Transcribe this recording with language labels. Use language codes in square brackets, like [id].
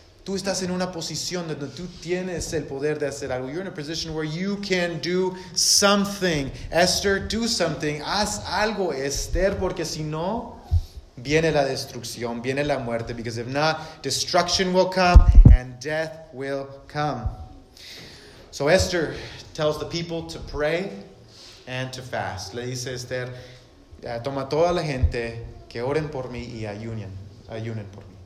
[es] Tú estás en una posición donde tú tienes el poder de hacer algo. [en] You're in a position where you can do something. Esther, do something. [es] Haz algo, Esther, porque si no, viene la destrucción, viene la muerte. [en] Because if not, destruction will come and death will come. So Esther tells the people to pray and to fast. [es] Le dice Esther, toma toda la gente que oren por mí y ayunen por mí.